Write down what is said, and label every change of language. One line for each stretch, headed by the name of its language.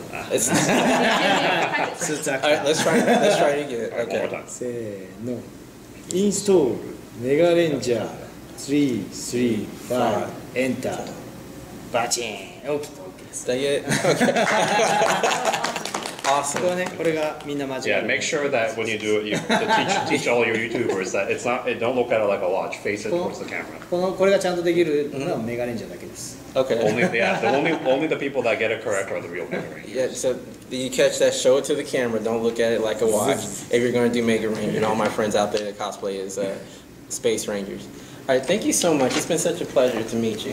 English: It's not. All right, let's try it again. Okay.
Japanese: せーの。インストール、メガレンジャー、3、3、5、エンター。バチン。
English: Okay. Awesome.
Japanese: ここはね、これがみんな間違い。
English: Yeah, make sure that when you do it, you teach all your YouTubers that it's not, it don't look at it like a watch, face it towards the camera.
Japanese: これがちゃんとできるのはメガレンジャーだけです。
English: Okay. only the people that get it correct are the real Mega Rangers. Yeah, so you catch that, show it to the camera, don't look at it like a watch. If you're going to do Mega Ranger, and all my friends out there that cosplay is Space Rangers. All right, thank you so much. It's been such a pleasure to meet you.